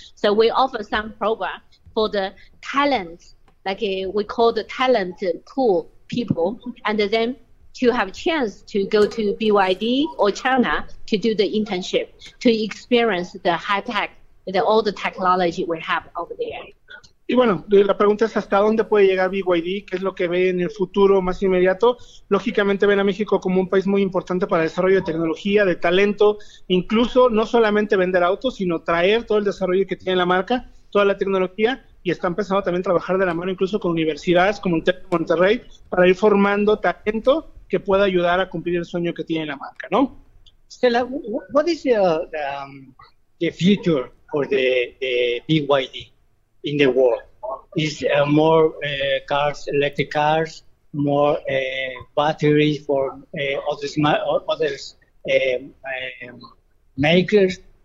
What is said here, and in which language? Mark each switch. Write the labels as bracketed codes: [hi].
[en] So we offer some program for the talent, like we call the talent pool people, and then to have a chance to go to BYD or China to do the internship, to experience the high tech, the, all the technology we have over there. [es] Y bueno, la pregunta es hasta dónde puede llegar BYD, qué es lo que ve en el futuro más inmediato. Lógicamente ven a México como un país muy importante para el desarrollo de tecnología, de talento, incluso no solamente vender autos, sino traer todo el desarrollo que tiene la marca, toda la tecnología, y está empezando también a trabajar de la mano incluso con universidades como el Tec de Monterrey para ir formando talento que pueda ayudar a cumplir el sueño que tiene la marca, ¿no? [en] Stella, what is the future for the BYD? In the world, is more cars, electric cars, more batteries for others makers.